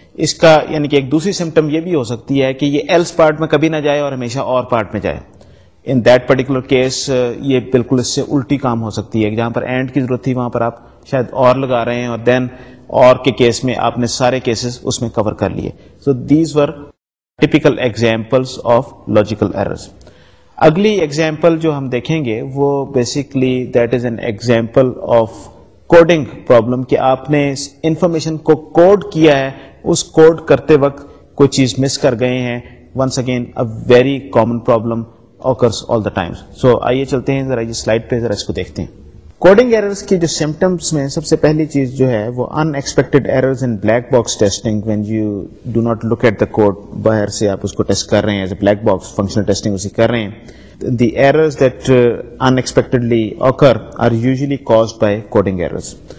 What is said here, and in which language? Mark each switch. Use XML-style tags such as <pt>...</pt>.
<ur>اس کا یعنی کہ ایک دوسری سمپٹم یہ بھی ہو سکتی ہے کہ یہ ایلس پارٹ میں کبھی نہ جائے اور ہمیشہ اور پارٹ میں جائے.</ur> <en>in that particular case</en> <ur>یہ بالکل اس سے الٹی کام ہو سکتی ہے, جہاں پر اینڈ کی ضرورت تھی وہاں پر آپ شاید اور لگا رہے ہیں, اور دین اور کے کیس میں آپ نے سارے کیسز اس میں کور کر لیے.</ur> <en>So these are typical examples of logical errors.</en> <ur>اگلی ایگزامپل جو ہم دیکھیں گے وہ basically</ur> <en>that is an example of coding problem,</en> <ur>کہ آپ نے انفارمیشن کو کوڈ کیا ہے, اس کوڈ کرتے وقت کوئی چیز مس کر گئے ہیں.</ur> <en>Once again a very common problem occurs all the times.</en> <ur>سو آئیے چلتے ہیں ذرا یہ سلائڈ پہ, ذرا اس کو دیکھتے ہیں. کوڈنگ ایررز کے جو سمپٹمس میں سب سے پہلی چیز جو ہے وہ</ur> <en>unexpected errors in black box testing, when you do not look at the code,</en> <ur>باہر سے آپ اس کو ٹیسٹ کر رہے ہیں</ur> <en>as a black box,</en> <ur>functional testing اسی کر رہے ہیں.</ur> <en>The errors that unexpectedly occur are usually caused by coding errors.</en>